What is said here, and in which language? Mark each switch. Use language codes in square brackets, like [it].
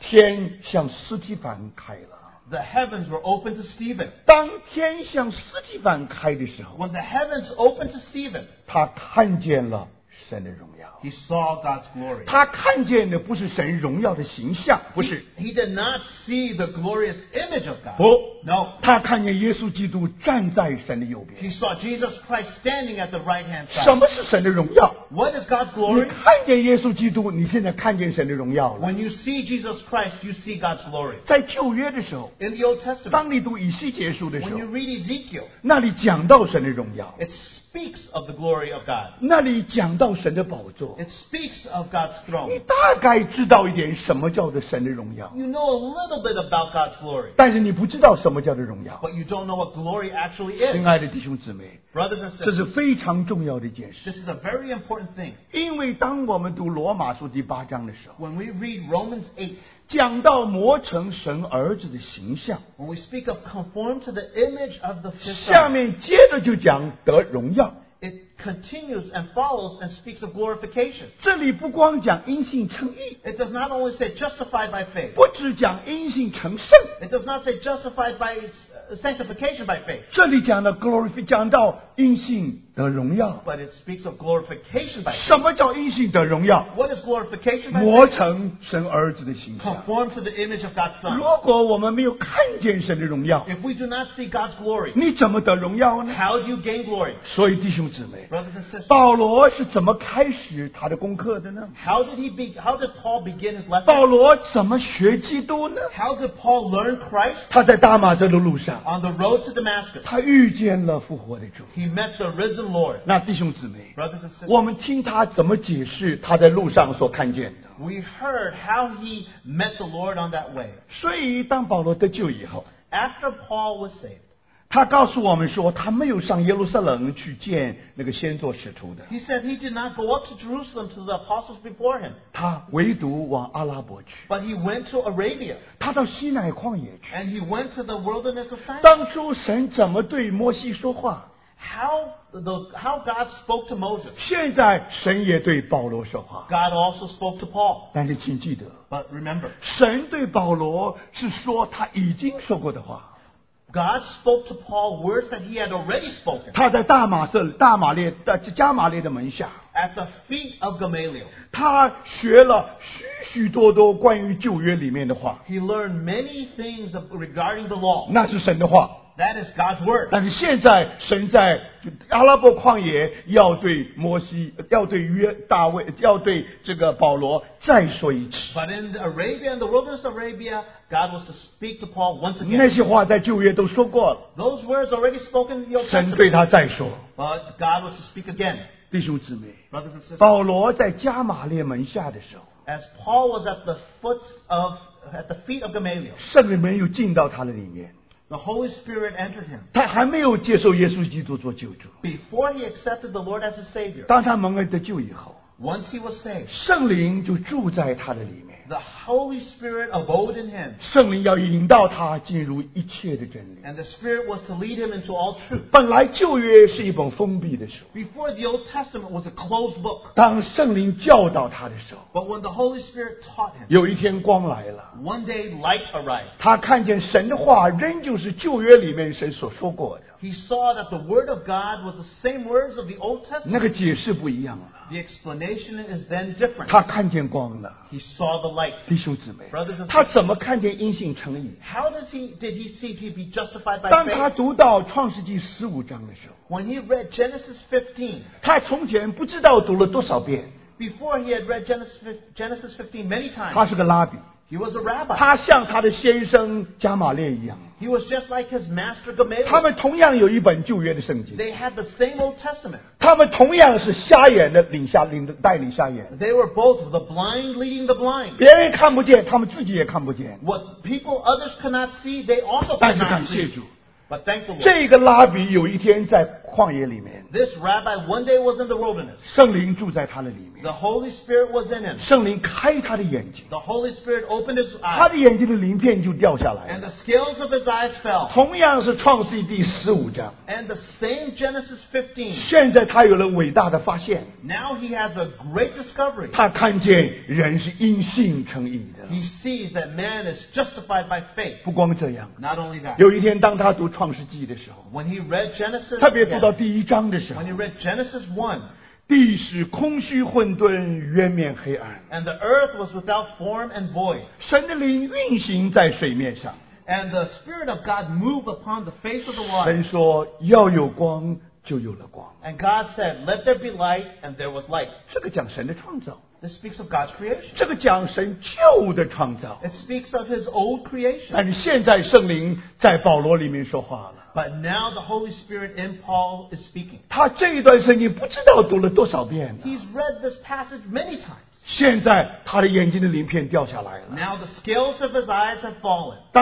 [zh] 天向斯提凡开了。 [en] The heavens were open to Stephen. [zh] 当天向斯提凡开的时候 [en] ，When the heavens opened to Stephen， [zh] 他看见了。神的荣耀 [en] He saw God's glory. [zh] 他看见的不是神荣耀的形象不是 [en] He did not see the glorious image of God. [zh] 不 [en] No. [zh] 他看见耶稣基督站在神的右边 [en] He saw Jesus Christ standing at the right hand side. [zh] 什么是神的荣耀 [en] What is God's glory? [zh] 你看见耶稣基督你现在看见神的荣耀了 [en] When you see Jesus Christ, you see God's glory. [zh] 在旧约的时候 [en] In the Old Testament. [zh] 当你读以西结书的时候 [en] When you read Ezekiel. [zh] 那里讲到神的荣耀 [en] It speaks of the glory of God. [zh] 那里讲到神的宝座。 [en] It speaks of God's throne. [zh] 你大概知道一点什么叫做神的荣耀。 [en] You know a little bit about God's glory. [zh] 但是你不知道什么叫做荣耀。 [en] But you don't know what glory actually is. [zh] 亲爱的弟兄姊妹。 [en] Brothers and sisters. [zh] 这是非常重要的一件事。 [en] This is a very important thing. [zh] 因为当我们读罗马书第八章的时候。 [en] When we read Romans 8. [zh] 讲到磨成神儿子的形象。 [en] When we speak of conform to the image of the Son. [zh] 下面接着就讲得荣耀。 [en] It continues and follows and speaks of glorification. [zh] 这里不光讲因信称义。 [en] It does not only say justified by faith. [zh] 不只讲因信成圣。 [en] It does not say justified by sanctification by faith. [zh] 这里讲的 glorify 讲到因信得荣耀。 [en] But it speaks of glorification by faith. [zh] 什么叫因信得荣耀 [en] ？What is glorification by faith? [zh] 磨成神儿子的形象。 [en] Conform to the image of God's Son. [zh] 如果我们没有看见神的荣耀 [en] ，If we do not see God's glory， [zh] 你怎么得荣耀呢 [en] ？How do you gain glory？ [zh] 所以弟兄姊妹 [en] ，Brothers and sisters， [zh] 保罗是怎么开始他的功课的呢 [en] ？How did Paul begin his lesson？ [zh] 保罗怎么学基督呢 [en] ？How did Paul learn Christ？ [zh] 他在大马色的路上 [en] ，On the road to Damascus， [zh] 他遇见了复活的主。 [en] He met the risen Lord. [zh] 那弟兄姊妹 [en] Brothers and sisters, [zh] 我们听他怎么解释他在路上所看见的 [en] We heard how he met the Lord on that way. [zh] 所以当保罗得救以后 [en] After Paul was saved, [zh] 他告诉我们说他没有上耶路撒冷去见那个先做使徒的 [en] He said he did not go up to Jerusalem to the apostles before him. [zh] 他唯独往阿拉伯去 [en] But he went to Arabia. [zh] 他到西乃旷野去 [en] And he went to the wilderness of Sinai. [zh] 当初神怎么对摩西说话 [en] How God spoke to Moses. [zh] 现在神也对保罗说话。 [en] God also spoke to Paul. [zh] 但是请记得。 [en] But remember. [zh] 神对保罗是说他已经说过的话。 [en] God spoke to Paul words that he had already spoken. [zh] 他在加马列的门下。 [en] At the feet of Gamaliel. [zh] 他学了许许多多关于旧约里面的话。 [en] He learned many things regarding the law. [zh] 那是神的话。 [en] That is God's word. [zh] 但是现在神在阿拉伯旷野要对摩西要对约大卫要对这个保罗再说一次。 [en] But in the Arabia and the wilderness of Arabia, God was to speak to Paul once again. [zh] 那些话在旧约都说过了。 [en] Those words already spoken in your testament. [zh] 神对他再说。 [en] But God was to speak again. [zh] 弟兄姊妹 [en] Brothers and sisters, [zh] 保罗在加马列门下的时候 [en] As Paul was at the feet of Gamaliel. [zh] 圣灵没有进到他的里面。 [en] The Holy Spirit entered him. [zh] 他还没有接受耶稣基督做救主。 [en] Before he accepted the Lord as his Savior. [zh] 当他蒙恩得救以后。 [en] Once he was saved. [zh] 圣灵就住在他的里面。 [en] The Holy Spirit abode in him. [zh] 圣灵要引导他进入一切的真理。 [en] And the Spirit was to lead him into all truth. [zh] 本来旧约是一本封闭的书。 [en] Before the Old Testament was a closed book. [zh] 当圣灵教导他的时候。 [en] But when the Holy Spirit taught him. [zh] 有一天光来了。 [en] One day light arrived. [zh] 他看见神的话仍旧是旧约里面神所说过的。 [en] He saw that the word of God was the same words of the Old Testament. [zh] 那个解释不一样了。 [en] The explanation is then different. [zh] 他看见光了。 [en] He saw the light. [zh] 弟兄姊妹, [en] Brothers and sisters. [zh] 他怎么看见因信称义? [en] How does he, did he see to be justified by [zh] 当他读到创世纪15章的时候, [en] faith? When he read Genesis 15, [zh] 他从前不知道读了多少遍, [en] before he had read Genesis 15 many times, [zh] 他是个拉比, [en] he was a rabbi. [zh] 他像他的先生加马列一样, [en] he was just like his master Gamaliel. [zh] 他们同样有一本旧约的圣经, [en] they had the same Old Testament. [zh] 他们同样是瞎眼的领下领的带领瞎眼, [en] they were both the blind leading the blind. [zh] 别人看不见, 他们自己也看不见, [en] what people others cannot see, they also cannot see. [zh] 但是感谢主, [en] but thank the Lord. [zh] 这个拉比有一天在旷野里面, [en] this rabbi one day was in the wilderness. [zh] 圣灵住在他的里面, [en] the Holy Spirit was in him. [zh] 圣灵开他的眼睛, [en] the Holy Spirit opened his eyes. [zh] 他的眼睛的鳞片就掉下来了, [en] and the scales of his eyes fell. [zh] 同样是创世纪第15章, [en] and the same Genesis 15. [zh] 现在他有了伟大的发现, [en] now he has a great discovery. [zh] 他看见人是因信称义的, [en] he sees that man is justified by faith. [zh] 不光这样, [en] not only that, [zh] 有一天当他读创世纪的时候, [en] when he read Genesis, [zh] 特别读到第一章的时候, [en] when he read Genesis 1, [zh] 地是空虚混沌渊面黑暗, [en] and the earth was without form and void, [zh] 神的灵运行在水面上, [en] and the Spirit of God moved upon the face of the water, [zh] 神说要有光, [en] and God said, let there be light, and there was light. [zh] 这个讲神的创造, [en] this speaks of God's creation. [zh] 这个讲神旧的创造, [en] it speaks of his old creation. [zh] 但是现在圣灵在保罗里面说话了, [en] but now the Holy Spirit in Paul is speaking. [zh] 他这一段圣经不知道读了多少遍, [en] he's read this passage many times. [zh] 现在他的眼睛的鳞片掉下来了, [en] now the scales of his eyes have fallen.